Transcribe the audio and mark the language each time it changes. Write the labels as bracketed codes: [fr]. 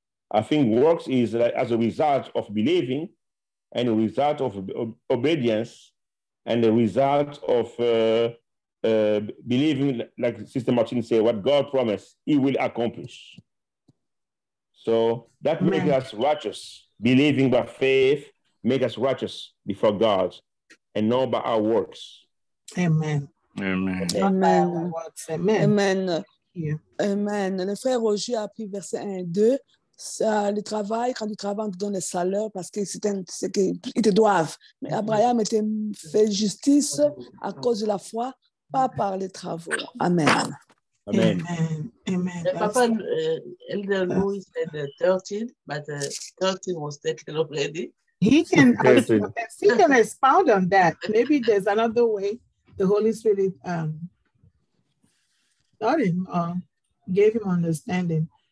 [en] I think works is like as a result of believing and a result of obedience and a result of believing, like Sister Martin said, what God promised, he will accomplish. So that makes us righteous. Believing by faith makes us righteous before God and not by our works. Amen. Amen. Amen. Amen. Amen. [fr] Amen. Le frère Roger a pris verset 1 et 2. Le travail, quand tu travailles, on te donne le salaire parce que c'est qu'ils te doivent. Mais Abraham était fait justice à cause de la foi. Pas par les travaux. Amen. Amen. Amen. Amen. [en] Papa, Elder Louis said 13, but 13 was taken already. He can expound on that. Maybe there's another way the Holy Spirit taught him or gave him understanding.